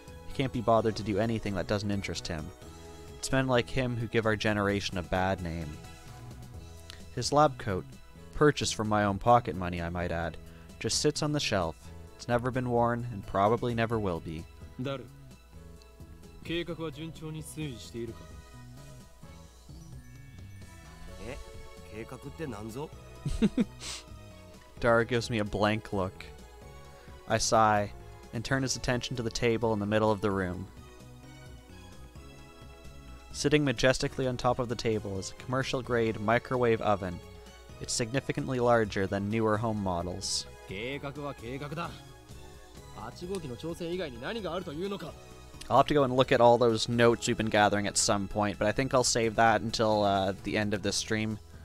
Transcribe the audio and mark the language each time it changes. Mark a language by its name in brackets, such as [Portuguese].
[English] He can't be bothered to do anything that doesn't interest him. It's men like him who give our generation a bad name. His lab coat, purchased from my own pocket money, I might add, just sits on the shelf. It's never been worn, and probably never will be. Daru. [Japanese] 計画は順調に推移しているか。え、計画って何ぞ? [English] Daru gives me a blank look. I sigh and turn his attention to the table in the middle of the room. Sitting majestically on top of the table is a commercial-grade microwave oven. It's significantly larger than newer home models. [Japanese] 計画は計画だ。八号機の挑戦以外に何があるというのか。 [English] I'll have to go and look at all those notes we've been gathering at some point, but I think I'll save that until the end of this stream.